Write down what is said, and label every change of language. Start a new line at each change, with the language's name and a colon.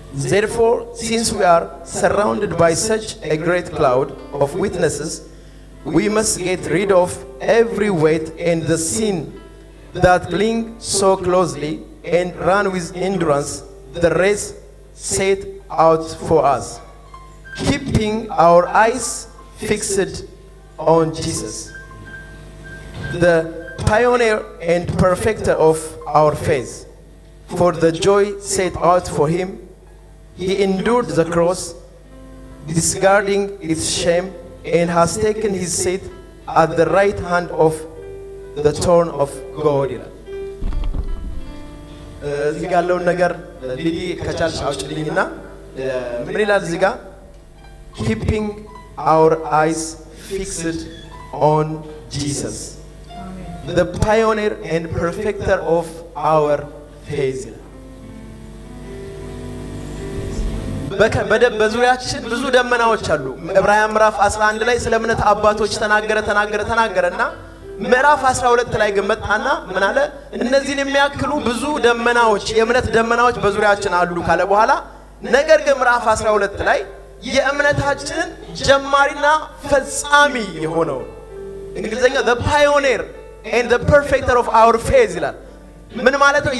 English: Therefore, since we are surrounded by such a great cloud of witnesses, we must get rid of every weight and the sin that clings so closely and run with endurance the race set out for us, keeping our eyes fixed on Jesus, the pioneer and perfecter of our faith. For the joy set out for him, he endured the cross, discarding its shame, and has taken his seat at the right hand of the throne of God.
Amharic: እዚጋ ያለው ነገር ለዲዲ ከቻልሽ አውጭልኝና ምን ይላል እዚጋ?
English: Keeping our eyes fixed on Jesus, the pioneer and perfecter of our faith.
Amharic: በዙሪያችን ብዙ ደመናዎች አሉ። ዕብራውያን ምዕራፍ 11 ላይ ስለ እምነት አባቶች ተናገረና ምዕራፍ 12 ላይ ገመጣና ምን አለ? እነዚህን የሚያክሉ ብዙ ደመናዎች የእምነት ደመናዎች በዙሪያችን አሉ ካለ በኋላ ነገር ግን ምዕራፍ 12 ላይ የእምነታችን ጀማሪና ፈጻሚ የሆነው እንግሊዘኛ
English: the pioneer and the perfecter of our faith
Amharic: ይላል። ምን ማለት ነው?